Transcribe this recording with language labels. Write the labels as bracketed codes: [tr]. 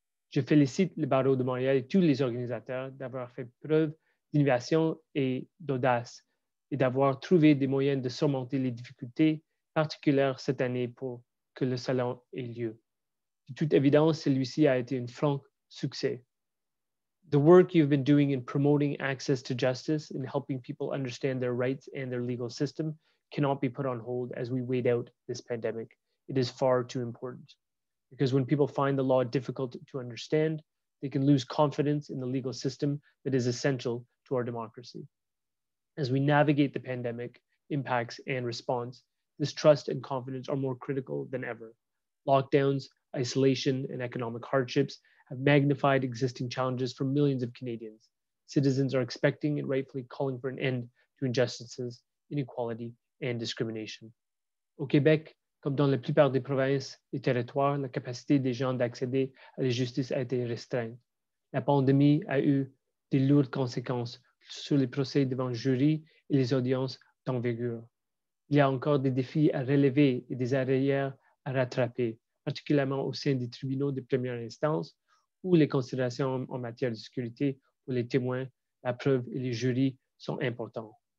[fr] Je félicite le Barreau de Montréal et tous les organisateurs d'avoir fait preuve d'innovation et d'audace et d'avoir trouvé des moyens de surmonter les difficultés particulières cette année pour que le salon ait lieu. De toute évidence, celui-ci a été un franc succès. [en] The work you've been doing in promoting access to justice and helping people understand their rights and their legal system cannot be put on hold as we wait out this pandemic. It is far too important. Because when people find the law difficult to understand, they can lose confidence in the legal system that is essential to our democracy. As we navigate the pandemic impacts and response, this trust and confidence are more critical than ever. Lockdowns, isolation, and economic hardships have magnified existing challenges for millions of Canadians. Citizens are expecting and rightfully calling for an end to injustices, inequality, and discrimination. [fr] Au Québec, comme dans la plupart des provinces et territoires, la capacité des gens d'accéder à la justice a été restreinte. La pandémie a eu des lourdes conséquences sur les procès devant jury et les audiences d'envergure. Il y a encore des défis à relever et des arrières à rattraper, particulièrement au sein des tribunaux de première instance, où les considérations en matière de sécurité pour les témoins, la preuve et les jurys sont importants.